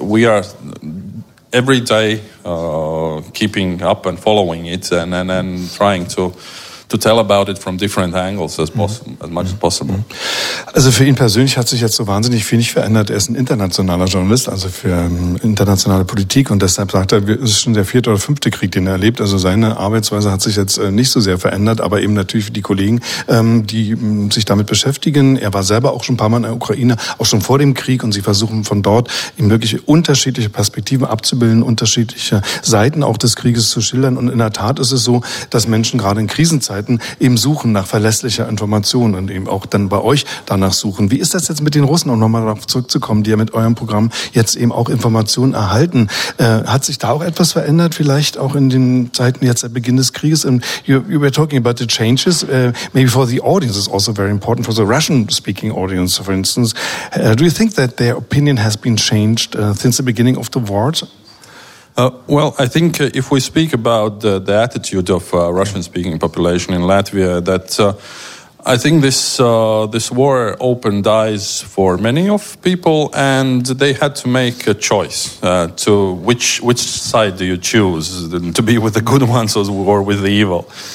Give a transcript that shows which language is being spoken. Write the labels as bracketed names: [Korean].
[English] We are every day keeping up and following it and trying to tell about it from different angles as much as possible. [German] Also für ihn persönlich hat sich jetzt so wahnsinnig viel nicht verändert. Er ist ein internationaler Journalist, also für internationale Politik, und deshalb sagt er, es ist schon der vierte oder fünfte Krieg, den er erlebt. Also seine Arbeitsweise hat sich jetzt nicht so sehr verändert, aber eben natürlich für die Kollegen, die sich damit beschäftigen. Er war selber auch schon ein paar Mal in der Ukraine, auch schon vor dem Krieg, und sie versuchen von dort ihm wirklich unterschiedliche Perspektiven abzubilden, unterschiedliche Seiten auch des Krieges zu schildern. Und in der Tat ist es so, dass Menschen gerade in Krisenzeiten Seiten eben suchen nach verlässlicher Information und eben auch dann bei euch danach suchen. Wie ist das jetzt mit den Russen, um nochmal darauf zurückzukommen, die ja mit eurem Programm jetzt eben auch Informationen erhalten? Hat sich da auch etwas verändert, vielleicht auch in den Zeiten jetzt seit Beginn des Krieges? [English] And you were talking about the changes, maybe for the audience is also very important, for the Russian-speaking audience, for instance. Do you think that their opinion has been changed since the beginning of the war? Well, I think if we speak about the attitude of Russian-speaking population in Latvia, that I think this war opened eyes for many of people, and they had to make a choice to which side do you choose, to be with the good ones or with the evil.